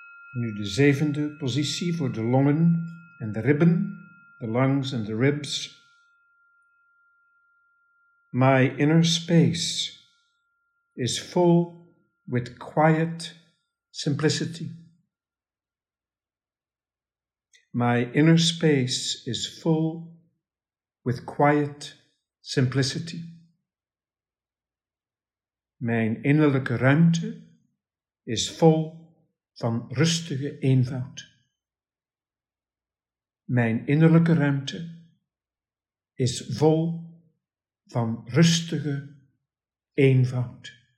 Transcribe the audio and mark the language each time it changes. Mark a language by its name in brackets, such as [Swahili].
[Dutch] Nu de zevende positie voor de longen en de ribben, [English] the lungs and the ribs. My inner space is full with quiet simplicity. My inner space is full with quiet simplicity. [Dutch] Mijn innerlijke ruimte is vol van rustige eenvoud. Mijn innerlijke ruimte is vol van rustige eenvoud.